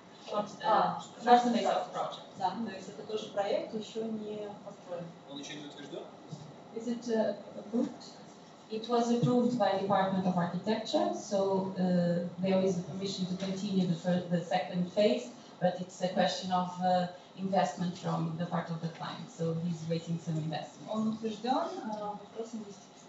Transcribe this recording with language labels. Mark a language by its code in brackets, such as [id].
[ru] Это тоже проект, еще не построен. Он еще не утвержден? [en] Is it approved? It was approved by the Department of Architecture, so there is a permission to continue the first, the second phase, but it's a question of investment from the part of the client, so he's waiting some investment. [ru] Он утвержден, вопрос инвестиций.